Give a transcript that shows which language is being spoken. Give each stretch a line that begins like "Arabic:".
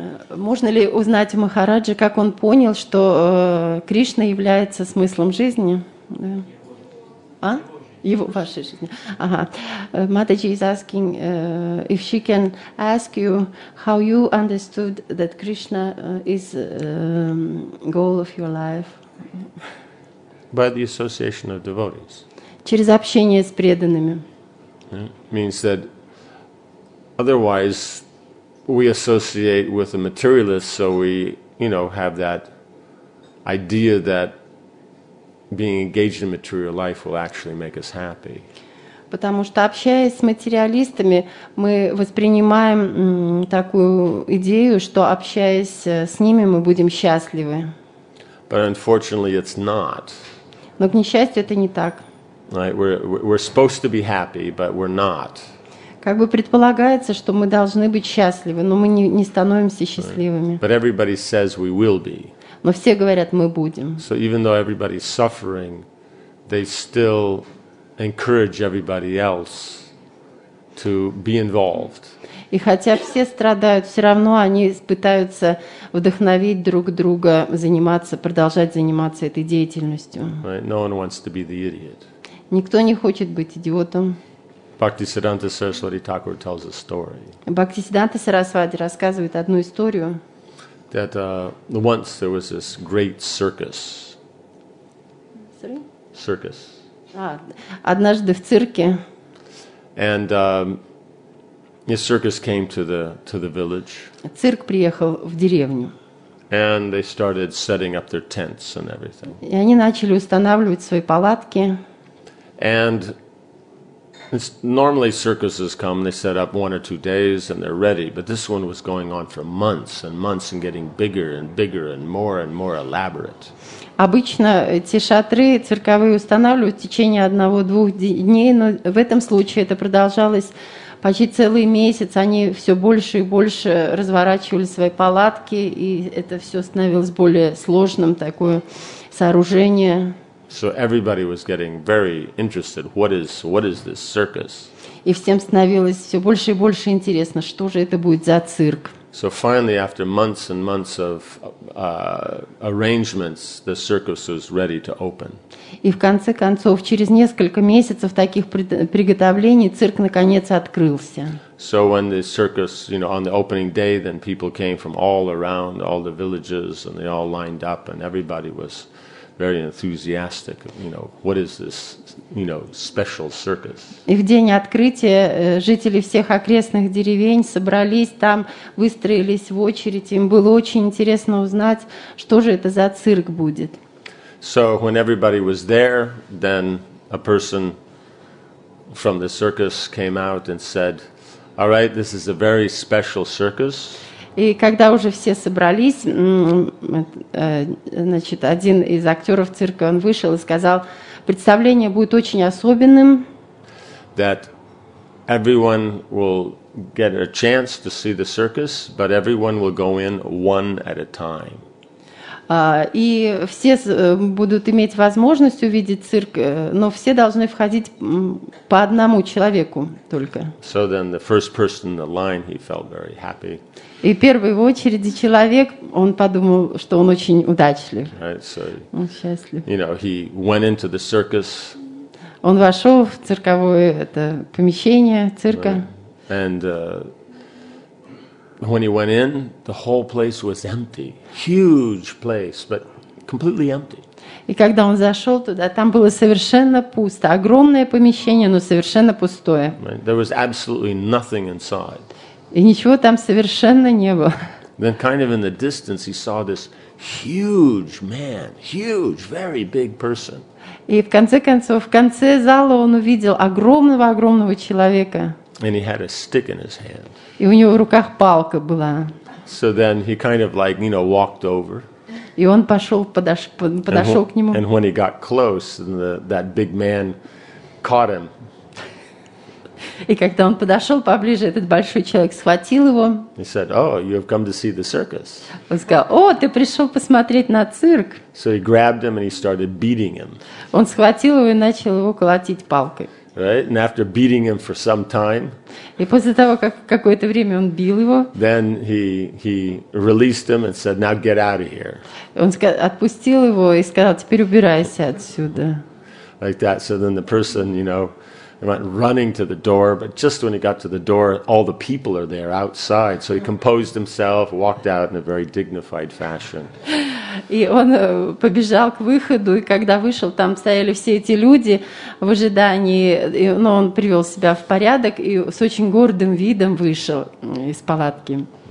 Russian: Можно ли узнать у Махараджи, как он понял, что Кришна является смыслом жизни? Да. А? Его, вашей жизни. Ага.
English: Матаджи is asking if she can ask you how you understood that Krishna is goal of your life. By the association of devotees.
Russian: Через общение с преданными.
English: Yeah. Means that otherwise we associate with a materialist, so we, you know, have that idea that being engaged in material life will actually make us happy.
Russian: Потому что общаясь с материалистами, мы воспринимаем такую идею, что общаясь с ними, мы будем счастливы.
English: But unfortunately, it's not.
Russian: Но, к несчастью, это не так.
English: Right? We're supposed to be happy, but we're not.
Russian: Как бы предполагается, что мы должны быть счастливы, но мы не становимся счастливыми.
English: Right. But everybody says we will be.
Russian: Но все говорят, мы будем.
English: So even though everybody's suffering, they still encourage everybody else to be involved.
Russian: И хотя все страдают, все равно они пытаются вдохновить друг друга заниматься, продолжать заниматься этой деятельностью.
English: Right. No one wants to be the idiot.
Russian: Никто не хочет быть идиотом.
English: Bhaktisiddhanta Saraswati Thakur tells a story.
Russian: Bhaktisiddhanta Saraswati рассказывает одну историю.
English: That once there was this great circus. Sorry? Circus.
Russian: Однажды в цирке.
English: And the circus came to the village.
Russian: Цирк приехал в деревню.
English: And they started setting up their tents and everything.
Russian: И они начали устанавливать свои палатки.
English: And it's normally circuses come, they set up one or two days and they're ready, but this one was going on for months and months and getting bigger and bigger and more elaborate.
Russian: Обычно эти шатры цирковые устанавливают в течение одного-двух дней, но в этом случае это продолжалось почти целый месяц. Они все больше и больше разворачивали свои палатки, и это все становилось более сложным, такое сооружение.
English: So everybody was getting very interested. What is this circus?
Russian: И всем становилось все больше и больше интересно, что же это будет за цирк.
English: So finally, after months and months of arrangements, the circus was ready to open.
Russian: И в конце концов, через несколько месяцев таких приготовлений, цирк наконец открылся.
English: So when the circus, you know, on the opening day, then people came from all around, all the villages, and they all lined up, and everybody was very enthusiastic, you know, what is this, you know, special circus?
Russian: И в день открытия жители всех окрестных деревень собрались там, выстроились в очередь. Им было очень интересно узнать, что же это за цирк будет.
English: So when everybody was there, then a person from the circus came out and said, "All right, this is a very special circus."
Russian: И когда уже все собрались, значит, один из актеров цирка, он вышел и сказал, представление будет очень особенным.
English: That everyone will get a chance to see the circus, but everyone will go in one at a time.
Russian: И все будут иметь возможность увидеть цирк, но все должны входить по одному человеку только.
English: So then the first person in the line, he felt very happy.
Russian: И первый в очереди человек, он подумал, что он очень удачлив.
English: Right, so,
Russian: он счастлив.
English: You know, he went into the circus.
Russian: Он вошел в цирковое это помещение цирка.
English: Right. And when he went in, the whole place was empty. Huge place, but completely empty.
Russian: И когда он зашел туда, там было совершенно пусто. Огромное помещение, но совершенно пустое.
English: Right. There was absolutely nothing inside.
Russian: И ничего там совершенно не было.
English: Then kind of in the distance he saw this huge man, huge, very big person.
Russian: И в конце концов, в конце зала он увидел огромного-огромного человека.
English: And he had a stick in his hand.
Russian: И у него в руках палка была.
English: So then he kind of like, you know, walked over.
Russian: И он подошел к нему.
English: And when he got close, that big man caught him.
Russian: И когда он подошел поближе, этот большой человек схватил его.
English: He said, "Oh, you have come to see the circus."
Russian: Он сказал, "О, ты пришел посмотреть на цирк."
English: So he grabbed him and he started beating him.
Russian: Он схватил его и начал его колотить палкой.
English: Right? And after beating him for some time.
Russian: И после того, как какое-то время он бил его.
English: Then he released him and said, "Now get out of here."
Russian: Он отпустил его и сказал, "Теперь убирайся отсюда."
English: Like that. So then the person, you know, he went running to the door, but just when he got to the door, all the people are there outside. So he composed himself, walked out in a very dignified fashion.
Russian: И он побежал к выходу, и когда вышел, там стояли все эти люди в ожидании, но он привел себя в порядок и с очень гордым видом вышел из палатки.